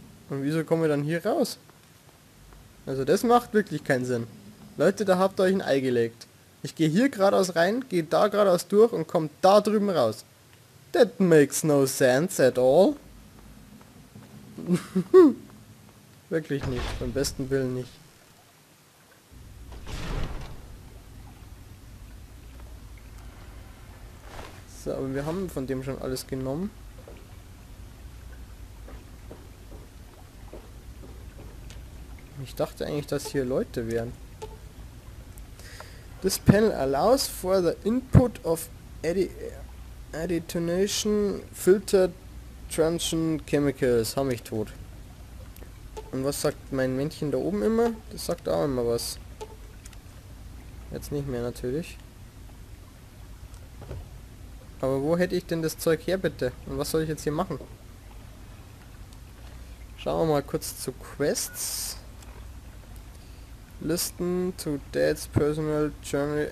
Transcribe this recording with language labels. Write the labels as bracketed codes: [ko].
[de] Und wieso kommen wir dann hier raus? Also das macht wirklich keinen Sinn. Leute, da habt ihr euch ein Ei gelegt. Ich gehe hier geradeaus rein, gehe da geradeaus durch und komme da drüben raus. [en] That makes no sense at all. [de] Wirklich nicht, beim besten Willen nicht. So, aber wir haben von dem schon alles genommen. Ich dachte eigentlich, dass hier Leute wären. [en] This panel allows for the input of detonation filter transition chemicals. [de] Hab mich tot. Und was sagt mein Männchen da oben immer? Das sagt auch immer was. Jetzt nicht mehr natürlich. Aber wo hätte ich denn das Zeug her bitte? Und was soll ich jetzt hier machen? Schauen wir mal kurz zu Quests. [en] Listen to Dad's personal journal.